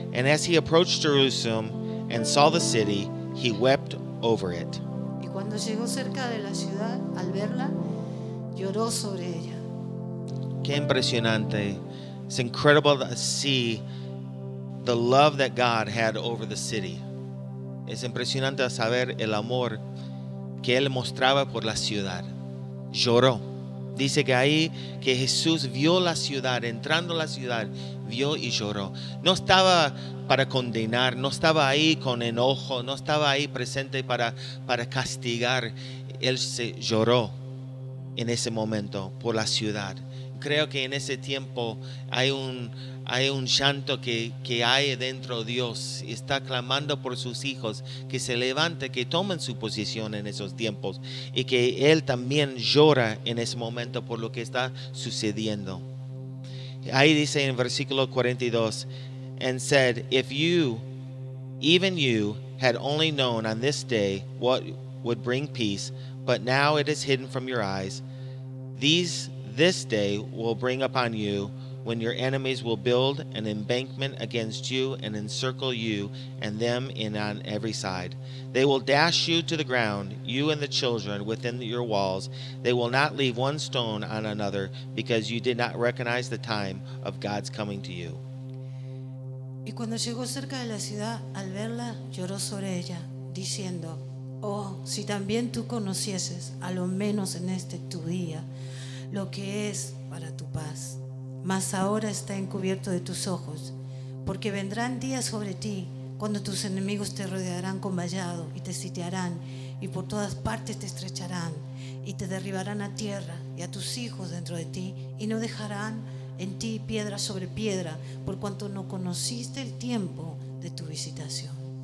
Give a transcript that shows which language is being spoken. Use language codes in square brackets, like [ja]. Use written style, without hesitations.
[en] And as he approached Jerusalem and saw the city, he wept over it. [es] Y cuando llegó cerca de la ciudad, al verla, lloró sobre ella. Qué impresionante. [en] It's incredible to see the love that God had over the city. [es] Es impresionante saber el amor que Él mostraba por la ciudad. Lloró. Dice que ahí que Jesús vio la ciudad, entrando a la ciudad, vio y lloró. No estaba para condenar, no estaba ahí con enojo, no estaba ahí presente para castigar. Él se lloró en ese momento por la ciudad. Creo que en ese tiempo hay un llanto que hay dentro de Dios y está clamando por sus hijos que se levante, que tomen su posición en esos tiempos y que Él también llora en ese momento por lo que está sucediendo. Ahí dice en versículo 42, [en] and said, if you, even you, had only known on this day what would bring peace, but now it is hidden from your eyes, this day will bring upon you when your enemies will build an embankment against you and encircle you and them in on every side. They will dash you to the ground, you and the children within your walls. They will not leave one stone on another because you did not recognize the time of God's coming to you. [es] Y cuando llegó cerca de la ciudad, al verla, lloró sobre ella, diciendo, oh, si también tú conocieses, a lo menos en este tu día, lo que es para tu paz. Mas ahora está encubierto de tus ojos, porque vendrán días sobre ti cuando tus enemigos te rodearán con vallado y te sitiarán y por todas partes te estrecharán y te derribarán a tierra y a tus hijos dentro de ti y no dejarán en ti piedra sobre piedra por cuanto no conociste el tiempo de tu visitación.